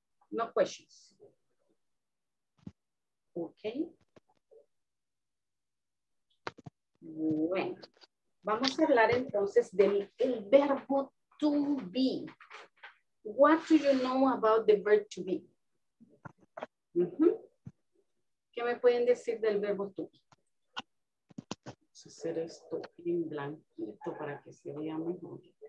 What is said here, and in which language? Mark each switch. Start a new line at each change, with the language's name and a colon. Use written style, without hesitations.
English: No questions. Ok.
Spanish: Bueno, vamos a hablar entonces del el verbo to be.
English: What do you know about the verb to be?
Spanish: ¿Qué me pueden decir del verbo to be? Vamos a hacer esto en blanquito para que se vea mejor.